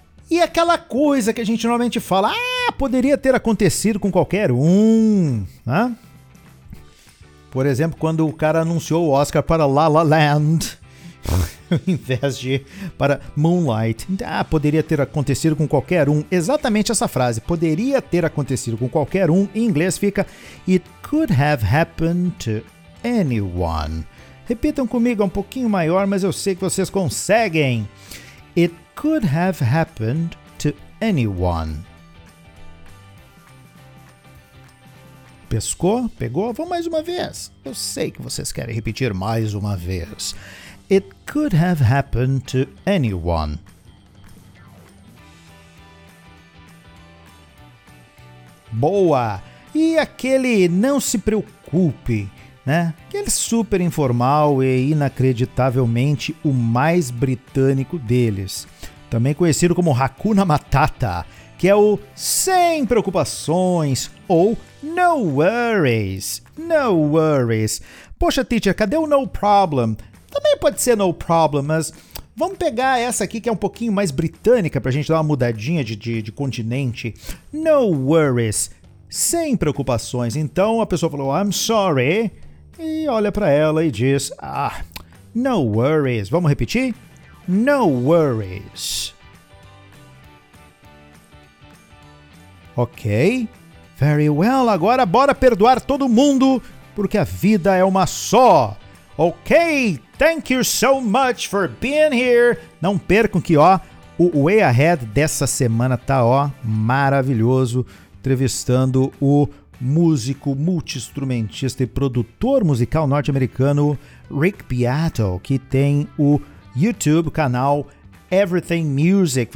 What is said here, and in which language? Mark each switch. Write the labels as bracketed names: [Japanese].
[Portuguese] E aquela coisa que a gente normalmente fala, poderia ter acontecido com qualquer um, né? Por exemplo, quando o cara anunciou o Oscar para La La Land, em vez de para Moonlight. Poderia ter acontecido com qualquer um. Exatamente essa frase, poderia ter acontecido com qualquer um. Em inglês fica, it [English] could have happened to anyone. [Portuguese] Repitam comigo, um pouquinho maior, mas eu sei que vocês conseguem. [English] It could have happened to anyone. [Portuguese] Pescou? Pegou? Vou mais uma vez. Eu sei que vocês querem repetir mais uma vez. [English] It could have happened to anyone. [Portuguese] Boa! E aquele não se preocupe, né? Aquele super informal e inacreditavelmente o mais britânico deles. Também conhecido como Hakuna Matata, que é o sem preocupações ou [English] no worries. No worries. [Portuguese] Poxa, teacher, cadê o [English] no problem? [Portuguese] Também pode ser [English] no problem, [Portuguese] mas vamos pegar essa aqui que é um pouquinho mais britânica pra gente dar uma mudadinha de continente. [English] No worries. [Portuguese] Sem preocupações. Então a pessoa falou, [English] I'm sorry. [Portuguese] E olha pra ela e diz, ah, [English] no worries. [Portuguese] Vamos repetir? [English] No worries. Ok. Very well. [Portuguese] Agora bora perdoar todo mundo, porque a vida é uma só. [English] Ok. Thank you so much for being here. [Portuguese] Não percam que, ó, o Way Ahead dessa semana tá, ó, maravilhoso. Entrevistando o músico, multi-instrumentista e produtor musical norte-americano Rick Beato, que tem o YouTube canal Everything Music.